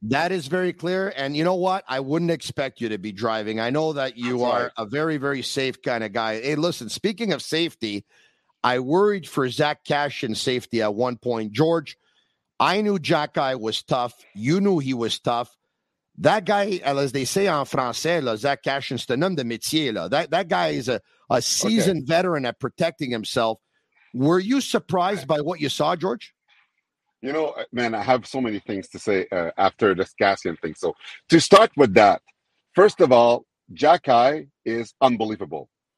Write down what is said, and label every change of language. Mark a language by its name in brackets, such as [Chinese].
[English] That is very clear. And you know what? I wouldn't expect you to be driving. I know that you are a very, very safe kind of guy. Hey, listen, speaking of safety, I worried for Zach Cashin's safety at one point. George, I knew Xhekaj was tough. You knew he was tough. That guy, as they say [French] en français, là, Zach Cashin, c'est un homme de métier. Là. [English] That guy is a seasoned veteran at protecting himself. Were you surprised by what you saw, George? You know, man, I have so many things to say after this Cashin thing. So to start with that, first of all, Xhekaj is unbelievable.